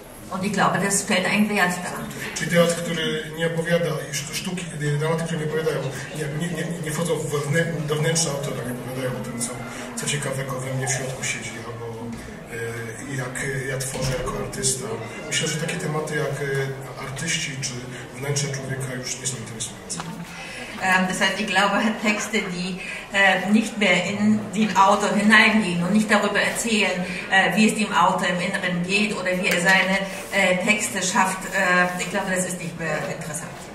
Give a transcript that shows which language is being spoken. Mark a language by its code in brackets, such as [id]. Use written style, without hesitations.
[de] Und ich glaube, das stellt einen Wert dar. [pl] Czyli teatr, który nie opowiada, sztuki, dramaty, które nie opowiadają, nie wchodzą do wnętrza autora, nie opowiadają o tym, co ciekawego we mnie w środku siedzi, albo jak ja tworzę jako artysta. Myślę, że takie tematy jak artyści czy wnętrze człowieka już nie są interesujące. [de] Das heißt, ich glaube, Texte, die nicht mehr in den Auto hineingehen und nicht darüber erzählen, wie es dem Auto im Inneren geht oder wie er seine Texte schafft, ich glaube, das ist nicht mehr interessant.